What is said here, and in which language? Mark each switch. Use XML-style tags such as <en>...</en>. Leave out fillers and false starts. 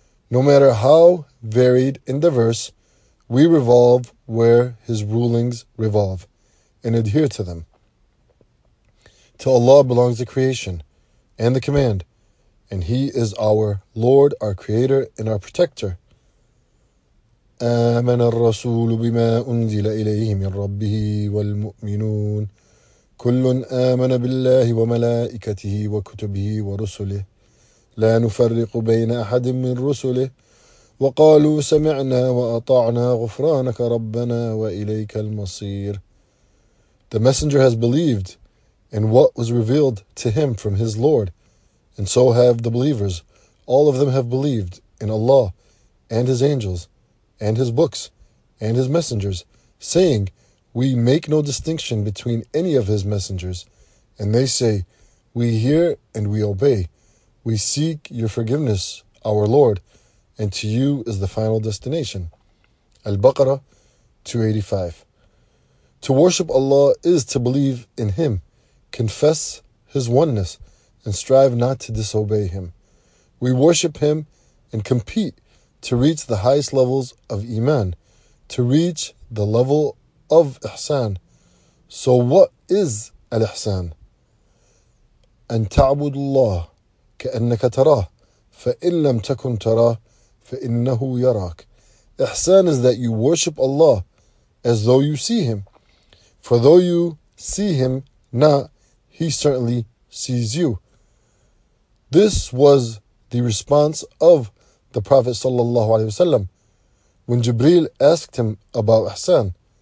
<en>No matter how varied and diverse, we revolve where His rulings revolve and adhere to them. To Allah belongs the creation and the command, and He is our Lord, our Creator, and our Protector.</en> <ar>آمن الرسول بما أنزل إليه من ربه والمؤمنون كل آمن بالله وملائكته وكتبه ورسله لا نفرق بين أحد من رسله وقالوا سمعنا وأطعنا غفرانك ربنا وإليك المصير.</ar> <en>The messenger has believed in what was revealed to him from his Lord, and so have the believers. All of them have believed in Allah and His angels and His books and His messengers, saying, "We make no distinction between any of His messengers." And they say, "We hear and we obey. We seek your forgiveness, our Lord, and to you is the final destination." Al-Baqarah 285. To worship Allah is to believe in Him, confess His oneness, and strive not to disobey Him. We worship Him and compete to reach the highest levels of Iman, to reach the level of Ihsan. So what is Al-Ihsan?</en> <ar>أن تعبد الله كأنك تراه فإن لم تكن تراه فإنه يراك.</ar> <en>Ihsan is that you worship Allah as though you see Him. For though you see Him not, He certainly sees you. This was the response of the Prophet ﷺ when Jibreel asked him about Ihsan.</en>